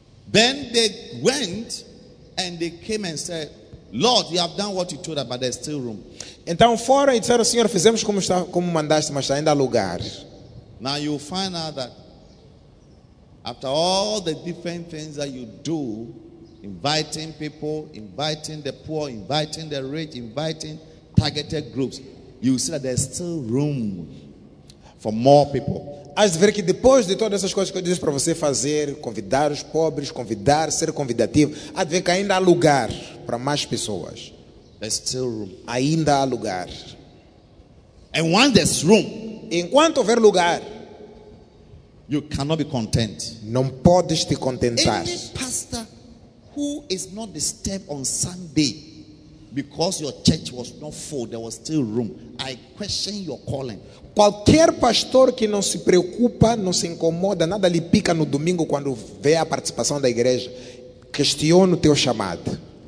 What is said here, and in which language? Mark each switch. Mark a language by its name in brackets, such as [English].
[English] Then they went and they came and said, Lord, you have done what you told us, but there's still room. [Portuguese] Então foram e disseram, Senhor, fizemos como, está, como mandaste, mas ainda há lugar. [English] Now you find out that after all the different things that you do, inviting people, inviting the poor, inviting the rich, inviting targeted groups, you see that there's still room for more people. [Portuguese] Hás de ver que depois de todas essas coisas que eu disse para você fazer, convidar os pobres, convidar, ser convidativo, há de ver que ainda há lugar para mais pessoas. [English] There's still room. [Portuguese] Ainda há lugar. [English] And when there's room, [Portuguese] enquanto houver lugar, [English] you cannot be content. [Portuguese] Não podes te contentar. [English] Any pastor who is not disturbed on Sunday because your church was not full, there was still room, I question your calling. [Portuguese] Qualquer pastor que não se preocupa, não se incomoda, nada lhe pica no domingo quando vê a participação da igreja, questiona o teu chamado.